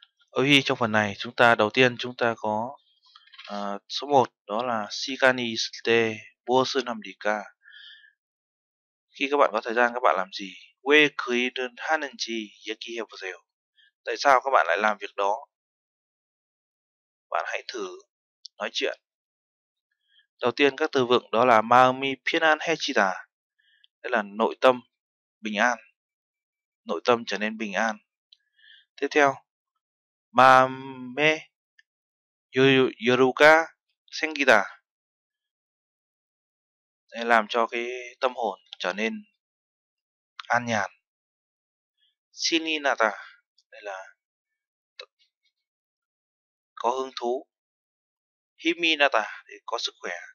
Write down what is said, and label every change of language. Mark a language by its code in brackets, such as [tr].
[vi] Oi trong phần này chúng ta đầu tiên chúng ta có số 1 đó là [ko] 시간이 있을 때 무엇을 합니까? [vi] Khi các bạn có thời gian các bạn làm gì? [ko] 왜 그 일을 하는지 얘기해 보세요. [vi] Tại sao các bạn lại làm việc đó? Bạn hãy thử nói chuyện. Đầu tiên các từ vựng đó là [ko] 마음이 편안해지다. [vi] Đây là nội tâm bình an. Nội tâm trở nên bình an. Tiếp theo [ko] 마음에 여유가 생기다. [vi] Để làm cho cái tâm hồn trở nên an nhàn. [ko] 신이 나다. [vi] Đây là có hứng thú. [ko] 힘이 나다. [vi] Để có sức khỏe.